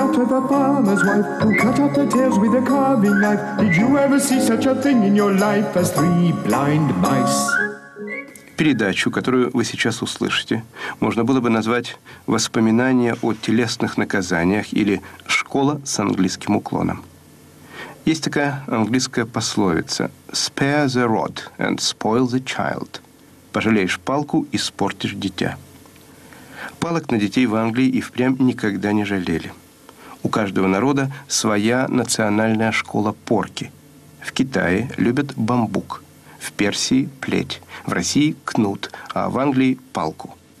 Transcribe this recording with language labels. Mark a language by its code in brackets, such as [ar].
[en] The farmer's wife who cut off the tails with a carving knife. Did you ever see such a thing in your life as three blind mice? [ru] Передачу, которую вы сейчас услышите, можно было бы назвать «Воспоминания о телесных наказаниях» или «Школа с английским уклоном». Есть такая английская пословица [en] «Spare the rod and spoil the child». [ru] «Пожалеешь палку и испортишь дитя». Палок на детей в Англии и впрямь никогда не жалели. У каждого народа своя национальная школа порки. В Китае любят бамбук. В Персии – плеть, в России – кнут, а в Англии – палку.